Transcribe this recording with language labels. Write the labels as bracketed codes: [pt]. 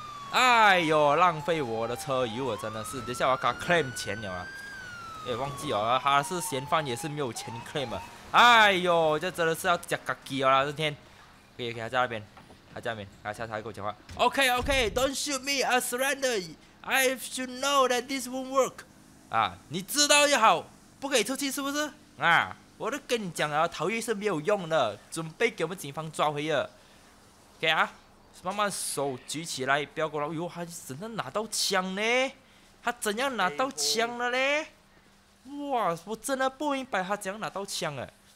[zh] 哎呦，浪费我的车油，我真的是，等一下我要给他 claim 钱了啊！哎，忘记哦，他是嫌犯，也是没有钱 claim 啊！哎呦，这真的是要夹咖鸡了啦，这天，可以，可以，他在那边，他在那边，他下台跟我讲话。 [en] OK，OK，Don't shoot me, I surrender. I should know that this won't work. [zh] 啊，你知道就好，不可以出去是不是？啊，我都跟你讲了，逃狱是没有用的，准备给我们警方抓回了。给、okay、啊，慢慢手举起来，不要过来。哟，他怎样拿到枪呢？他怎样拿到枪了呢？哇，我真的不明白他怎样拿到枪了。